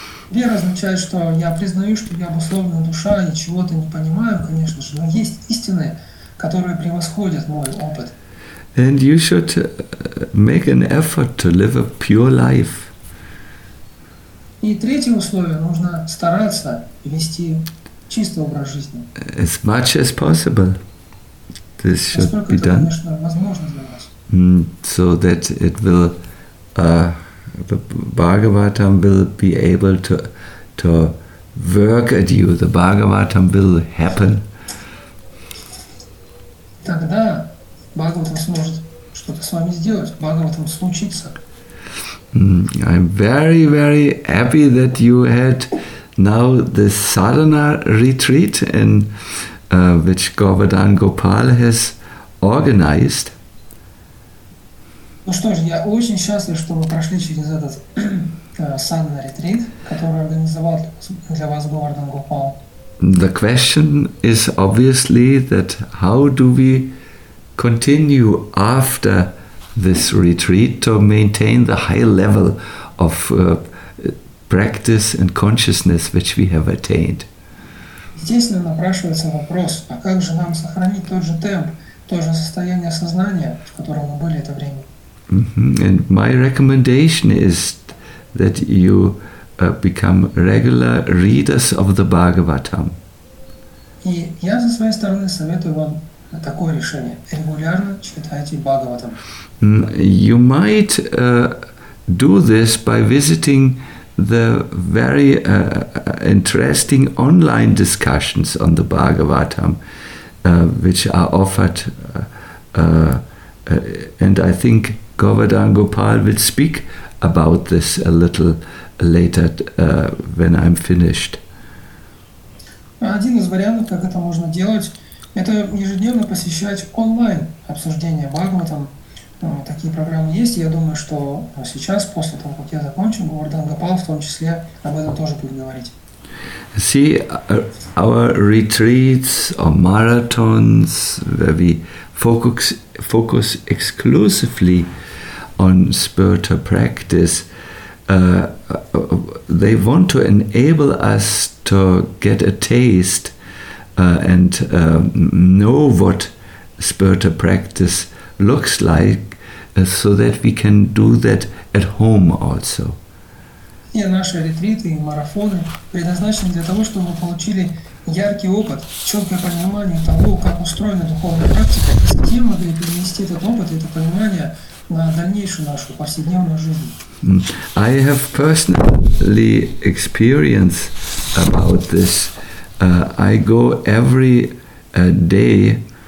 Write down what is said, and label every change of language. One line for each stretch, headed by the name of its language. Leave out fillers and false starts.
Russian: Вера означает, что я признаю, что я обусловлена душа и чего-то не понимаю, конечно же, но есть истины, которые превосходят мой опыт.
English: And you should make an effort to live a pure life.
Russian: И третье условие, нужно стараться вести чистый образ жизни.
English: As much as possible. This should
Russian: Насколько
English: be
Russian: это,
English: done.
Russian: Конечно, возможно для вас.
English: So that it will the Bhagavatam will be able to work at you. The Bhagavatam will happen.
Russian: Тогда Бхагаватам сможет что-то с вами сделать. Бхагаватам случится.
English: I'm very, very happy that you had now this sadhana retreat in which Govardhan Gopal has organized.
Russian: Ну что ж, я очень счастлив, что мы прошли через этот саддана-ретрит, который организовал для вас Говардан Гопал.
English: The question is obviously that how do we continue after this retreat to maintain the high level of practice and consciousness which we have attained?
Russian: Естественно, напрашивается вопрос, а как же нам сохранить тот же темп, то же состояние сознания, в котором мы были это время?
English: And my recommendation is that you become regular readers of the Bhagavatam.
Russian: И я со своей стороны советую вам такое решение. Регулярно читайте Бхагаватам.
English: You might do this by visiting the very interesting online discussions on the Bhagavatam, which are offered, and I think Govardhan Gopal will speak about this a little later when I'm finished.
Russian: Один из вариантов, как это можно делать, это ежедневно посещать онлайн обсуждение Бхагаватам. Такие программы есть. Я думаю, что сейчас, после того, как я закончу, Говардхан Гопал в том числе об этом тоже будет говорить.
English: See, our retreats or marathons, where we focus exclusively on spiritual practice, they want to enable us to get a taste and know what spiritual practice looks like, so that we can do that at home also.
Russian: И наши ретриты и марафоны предназначены для того, чтобы вы получили яркий опыт, четкое понимание того, как устроена духовная практика, и затем могли перенести этот опыт, это понимание на дальнейшую нашу повседневную жизнь.
English: I have personally experience about this. I go every day.